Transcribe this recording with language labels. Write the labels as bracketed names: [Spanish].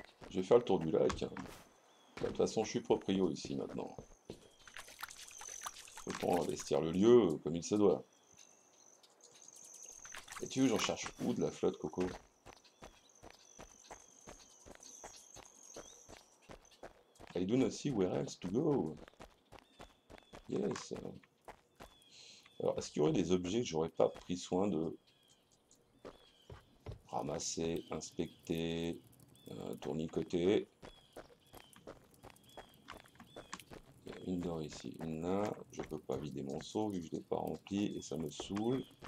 [French] Je vais faire le tour du lac. De toute façon, je suis proprio ici maintenant. Autant investir le lieu comme il se doit. Et tu veux, j'en cherche où de la flotte, Coco? [English] I do not see where else to go. Yes. [French] Alors, est-ce qu'il y aurait des objets que j'aurais pas pris soin de ramasser, inspecter? Tournicoté. Il y a une d'or ici, une là. Je peux pas vider mon seau vu que je l'ai pas rempli et ça me saoule.